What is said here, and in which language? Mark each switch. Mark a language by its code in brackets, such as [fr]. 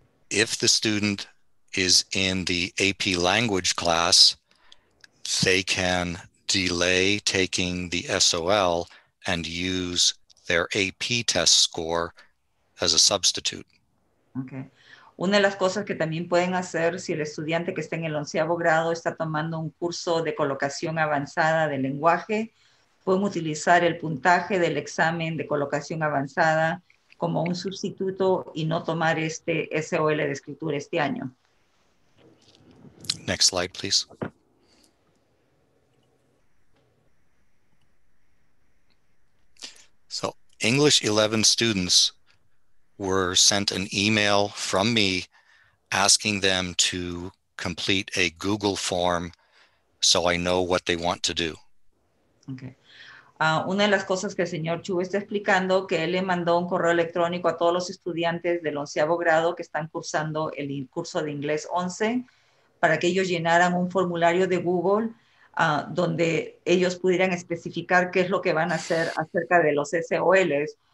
[en] If the student is in the AP language class, they can delay taking the SOL and use their AP test score as a substitute. Okay. [es] Una de las cosas que también pueden hacer si el estudiante que está en el onceavo grado está tomando un curso de colocación avanzada de lenguaje, pueden utilizar el puntaje del examen de colocación avanzada como un sustituto y no tomar este SOL de escritura este año. [en] Next slide, please. So, English 11 students were sent an email from me asking them to complete a Google form so I know what they want to do. Okay. [es] Una de las cosas que el señor Chu está explicando, que él le mandó un correo electrónico a todos los estudiantes del onceavo grado que están cursando el curso de inglés 11 para que ellos llenaran un formulario de Google donde ellos pudieran especificar qué es lo que van a hacer acerca de los SOLs.